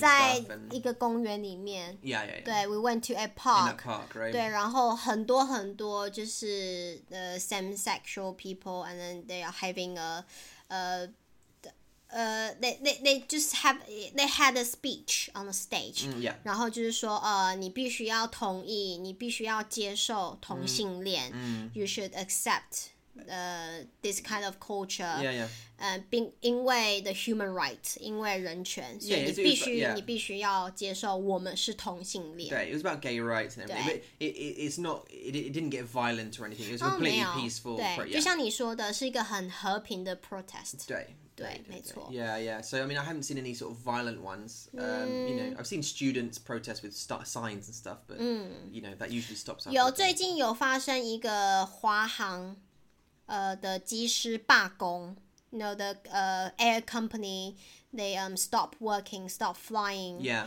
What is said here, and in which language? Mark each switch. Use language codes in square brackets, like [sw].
[zh] 在一个公园里面. [en] Yeah. 对, we went to a park. In a park, right? [zh] 对，然后很多很多就是 [en] same sexual people, and then they are having a they had a speech on the stage. Yeah. [zh] 然后就是说, 你必须要同意, 你必须要接受同性恋. [en] You should accept. This kind of culture, because the human rights, because [zh] 人权，所以你必须要接受我们是同性恋。 [en] Yeah, it was about gay rights and everything, but it's not, it didn't get violent or anything. It was completely peaceful. [zh] 对，就像你说的，是一个很和平的 protest. 对，没错。 [en] Yeah, yeah. So I mean, I haven't seen any sort of violent ones. You know, I've seen students protest with signs and stuff, but you know, that usually stops. [zh] 有最近有发生一个华航。的机师罢工, [en] you know, the air company, they stop working, stop flying.